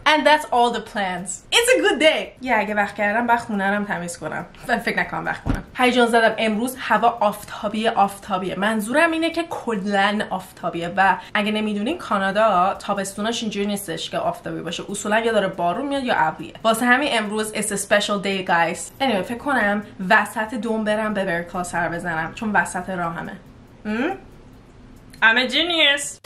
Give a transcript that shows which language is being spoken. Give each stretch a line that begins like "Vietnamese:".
English: And that's all the plans. It's a good day.
Persian: Yeah، اگه وقت کردم بعد خونه‌رم تمیز کنم. من فکر نکنم وقت کنم. هیجان زدم، امروز هوا آفتابیه. منظورم اینه که کلاً آفتابیه و اگه نمیدونین کانادا تابستوناش اینجوری نیستش که آفتاب باشه، اصولا یا داره بارون میاد یا ابریه. واسه همین امروز it's a special day guys. anyway فکر کنم وسط دوم برم به برکا سر بزنم چون وسط راه همه.
English: I'm a genius.